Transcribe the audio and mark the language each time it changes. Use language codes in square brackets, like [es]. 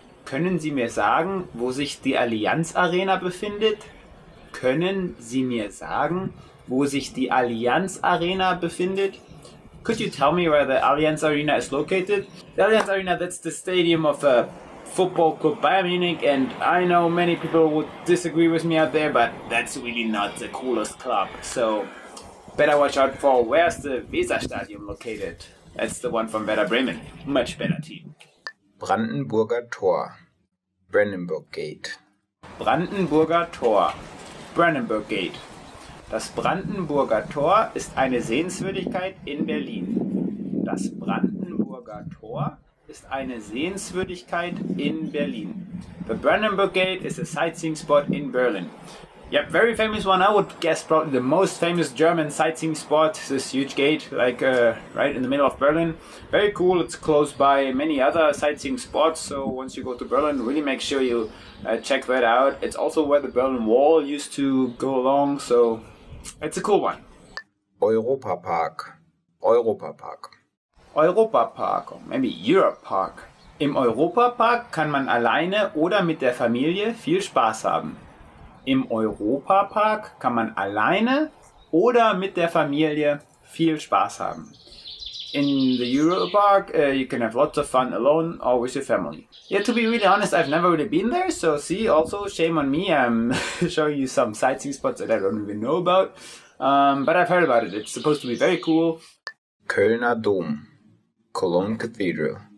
[de] Können Sie mir sagen, wo sich die Allianz Arena befindet? Können Sie mir sagen, wo sich die Allianz Arena befindet? [en] Could you tell me where the Allianz Arena is located? The Allianz Arena, that's the stadium of a football club Bayern Munich, and I know many people would disagree with me out there, but that's really not the coolest club. So better watch out for where's the Weserstadion located. That's the one from Werder Bremen. Much better team. Brandenburger Tor. Brandenburg Gate. Brandenburger Tor. Brandenburg Gate. [de] Das Brandenburger Tor ist eine Sehenswürdigkeit in Berlin. Das Brandenburger Tor ist eine Sehenswürdigkeit in Berlin. [en] The Brandenburg Gate is a sightseeing spot in Berlin. Yep, very famous one. I would guess probably the most famous German sightseeing spot, this huge gate, like right in the middle of Berlin. Very cool. It's close by many other sightseeing spots. So once you go to Berlin, really make sure you check that out. It's also where the Berlin Wall used to go along. So it's a cool one. Europa Park. Europa Park. Europa Park, or maybe Europe Park. [de] Im Europa Park kann man alleine oder mit der Familie viel Spaß haben. Im Europa-Park kann man alleine oder mit der Familie viel Spaß haben. [en] In the Europa-Park, you can have lots of fun alone or with your family. Yeah, to be really honest, I've never really been there, so see, also, shame on me, I'm showing you some sightseeing spots that I don't even know about. But I've heard about it, it's supposed to be very cool. Kölner Dom, Cologne Cathedral.